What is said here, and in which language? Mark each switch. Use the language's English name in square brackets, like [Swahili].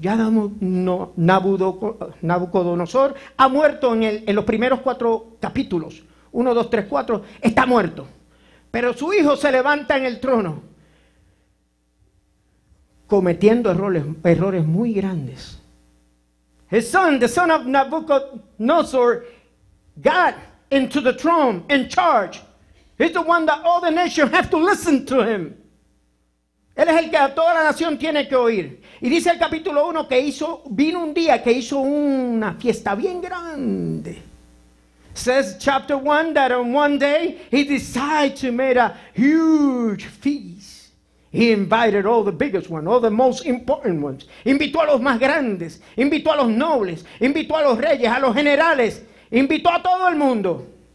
[Spanish] Ya Nabucodonosor ha muerto en los primeros 4 capítulos. 1, 2, 3, 4. Está muerto. Pero su hijo se levanta en el trono, cometiendo errores muy grandes. [English] His son, the son of Nabucodonosor, got into the throne, in charge. He's the one that all the nations have to listen to him. [Spanish] Él es el que a toda la nación tiene que oír. Y dice el capítulo 1 que vino un día que hizo una fiesta bien grande. [English] Says chapter 1 that on one day he decided to make a huge feast. He invited all the biggest ones, all the most important ones. [Spanish] Invitó a los más grandes, invitó a los nobles, invitó a los reyes, a los generales, invitó a todo el mundo.